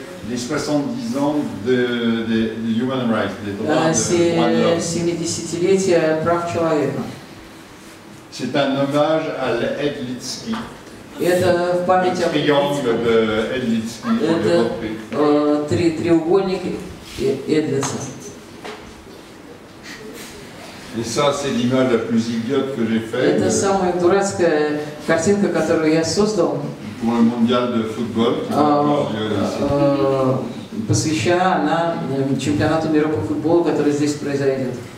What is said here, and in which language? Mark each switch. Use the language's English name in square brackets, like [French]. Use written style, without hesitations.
[French] les 70 ans de [English] human rights, [French] des droits C'est les 10 ans des droits de l'homme. C'est un hommage à Ed Litsky. [Russian] Это в память о Эдлицке. Это треугольник Эдлица. И [French] ça c'est l'image la plus idiote que j'ai fait. [Russian] Это самая дурацкая картинка, которую я создал. [French] Pour le mondial de football. [Russian] Посвящена она чемпионату мира по футболу, который здесь произойдет.